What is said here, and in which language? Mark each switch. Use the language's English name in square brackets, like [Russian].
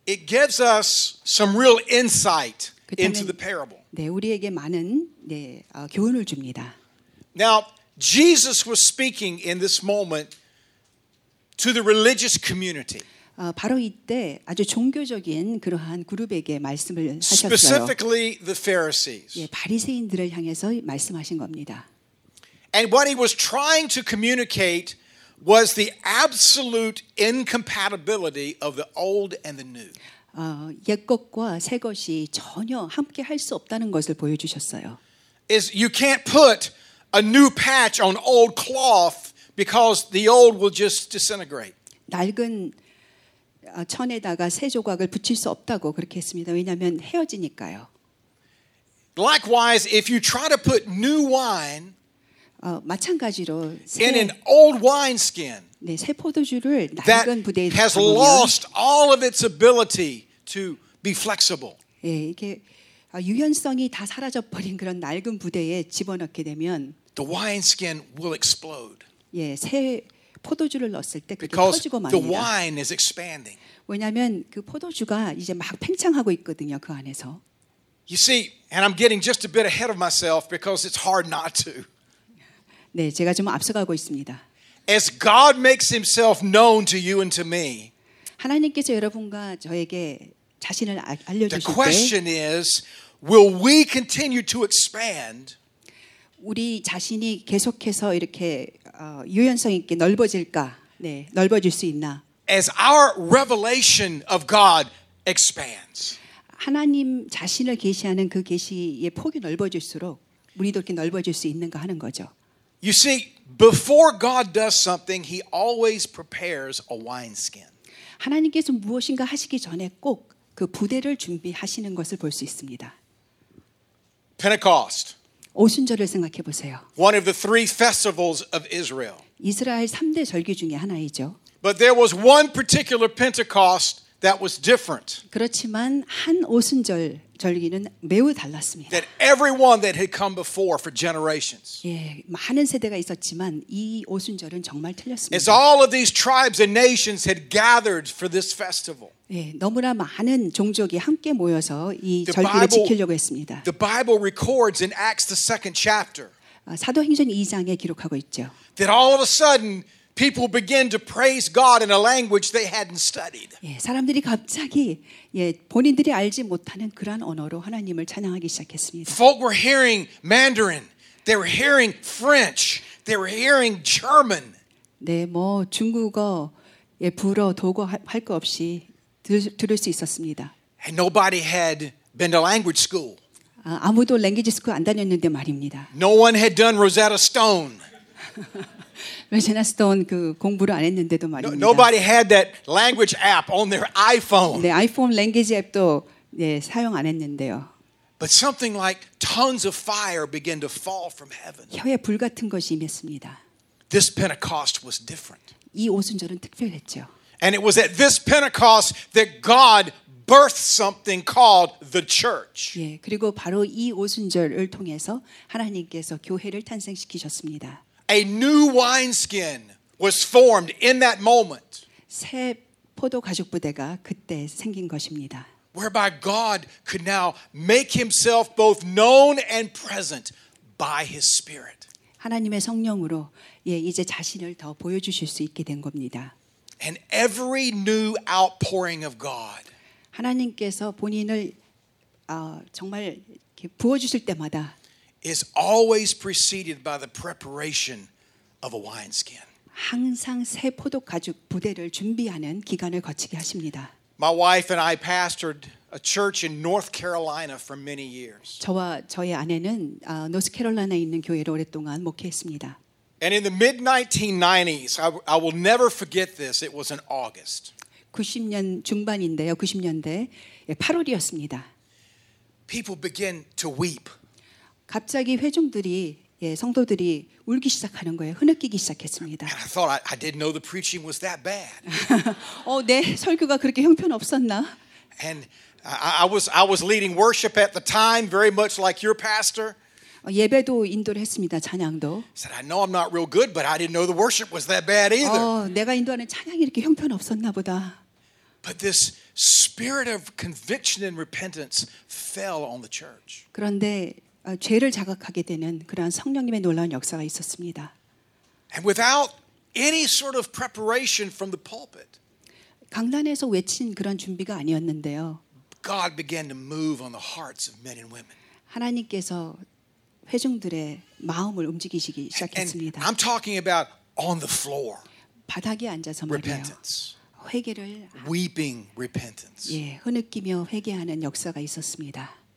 [English] It gives us some real insight into the parable. [Korean] 네, 우리에게 많은 네, 교훈을 줍니다. [English] Now, Jesus was speaking in this moment to the religious community. [Korean] 바로 이때 아주 종교적인 그러한 그룹에게 말씀을 하셨어요. [English] Specifically the Pharisees. [Korean] 예, 바리새인들을 향해서 말씀하신 겁니다. [English] And what he was trying to communicate was the absolute incompatibility of the old and the new. [Korean] 옛 것과 새 것이 전혀 함께 할 수 없다는 것을 보여주셨어요. [English] Is you can't put a new patch on old cloth because the old will just disintegrate. [Korean] 낡은 천에다가 새 조각을 붙일 수 없다고 그렇게 했습니다. 왜냐하면 헤어지니까요. [English] Likewise, if you try to put new wine [Korean] 마찬가지로 새, [English] in an old wineskin, [Korean] 네, 새 포도주를 낡은 부대에 [English] that has lost all of its ability to be flexible. [Korean] 예, 네, 이게 유연성이 다 사라져 버린 그런 낡은 부대에 집어넣게 되면 [English] the wineskin will explode. [Korean] 예, 네, 새 포도주를 넣었을 때 그게 [English] Because [Korean] 터지고 [English] the wine is expanding. [Korean] 왜냐하면 그 포도주가 이제 막 팽창하고 있거든요 그 안에서. [English] You see, and I'm getting just a bit ahead of myself because it's hard not to. [Korean] 네, 제가 좀 앞서가고 있습니다. [English] As God makes Himself known to you and to me, [Korean] 하나님께서 여러분과 저에게 자신을 알려주실 때, [English] the question is, will we continue to expand? [Korean] 우리 자신이 계속해서 이렇게 유연성 있게 넓어질까? 네, 넓어질 수 있나? [English] As our revelation of God expands. [Korean] 하나님 자신을 계시하는 그 계시의 폭이 넓어질수록 우리도 이렇게 넓어질 수 있는가 하는 거죠. [English] You see, before God does something, he always prepares a wineskin. [Korean] 하나님께서 무엇인가 하시기 전에 꼭 그 부대를 준비하시는 것을 볼 수 있습니다. [English] Pentecost. [Korean] 오순절을 생각해 보세요. [English] One of the three festivals of Israel. [Korean] 이스라엘 3대 절기 중에 하나이죠. [English] But there was one particular Pentecost that was different. [Korean] 그렇지만 한 오순절 절기는 매우 달랐습니다. [English] That everyone that had come before for generations. [Korean] 예, 많은 세대가 있었지만 이 오순절은 정말 틀렸습니다. [English] As all of these tribes and nations had gathered for this festival. [Korean] 예, 너무나 많은 종족이 함께 모여서 이 절기를 지키려고 했습니다. [English] The Bible records in Acts the second chapter. [Korean] 사도행전 2장에 기록하고 있죠. [English] That all of a sudden people begin to praise God in a language they hadn't studied. [Korean] 예, 사람들이 갑자기 예, 본인들이 알지 못하는 그런 언어로 하나님을 찬양하기 시작했습니다. [English] Folk were hearing Mandarin. They were hearing French. They were hearing German. [Korean] 네, 뭐 중국어, 예, 불어, 독어 할 거 없이 들을 수 있었습니다. [English] And nobody had been to language school. [Korean] 아무도 랭귀지 스쿨 안 다녔는데 말입니다. [English] No one had done Rosetta Stone. [Korean] 로제나 스톤 그 공부를 안 했는데도 말입니다. [English] Nobody had that language app on their iPhone. [Korean] 네, 아이폰 랭귀지 앱도 네, 사용 안 했는데요. [English] But something like tons of fire began to fall from heaven. [Korean] 혀에 불 같은 것이 임했습니다. [English] This Pentecost was different. [Korean] 이 오순절은 특별했죠. [English] And it was at this Pentecost that God birthed something called the church. [Korean] 예, 그리고 바로 이 오순절을 통해서 하나님께서 교회를 탄생시키셨습니다. [English] A new wineskin was formed in that moment. [Korean] 새 포도 가죽 부대가 그때 생긴 것입니다. [English] Whereby God could now make himself both known and present by his spirit. [Korean] 하나님의 성령으로 예 이제 자신을 더 보여 주실 수 있게 된 겁니다. [English] And every new outpouring of God. [Korean] 하나님께서 본인을 정말 이렇게 부어 주실 때마다 [English] is always preceded by the preparation of a wineskin. [Korean] 항상 새 포도 가죽 부대를 준비하는 기간을 거치게 하십니다. [English] My wife and I pastored a church in North Carolina for many years. [Korean] 저와 저의 아내는 노스캐롤라이나에 있는 교회를 오랫동안 목회했습니다. [English] And in the mid 1990s, I will never forget this. It was in August. [Korean] 90년 중반인데요. 90년대 8월이었습니다. [English] people begin to weep. [Korean] 갑자기 회중들이 예, 성도들이 울기 시작하는 거예요. 흐느끼기 시작했습니다. [English] And I thought I didn't know the preaching was that bad. [Korean] 어, 내 설교가 그렇게 형편없었나? [English] And I was leading worship at the time very much like your pastor. [Korean] 예배도 인도를 했습니다. 찬양도. [English] Said I know I'm not real good, but I didn't know the worship was that bad either. [Korean] 어, 내가 인도하는 찬양이 이렇게 형편없었나 보다. [English] But this spirit of conviction and repentance fell on the church. [Korean] 그런데 죄를 자각하게 되는 그러한 성령님의 놀라운 역사가 있었습니다. [English] And without any sort of preparation from the pulpit. [Korean] 강단에서 외친 그런 준비가 아니었는데요. [English] God began to move on the hearts of men and women. [Korean] 하나님께서 회중들의 마음을 움직이시기 시작했습니다. [English] And I'm talking about on the floor. [Korean] 바닥에 앉아서 말이에요. [English] Repentance. [Korean] 회개를 [English] weeping repentance. [Korean] 예, 흐느끼며 회개하는 역사가 있었습니다.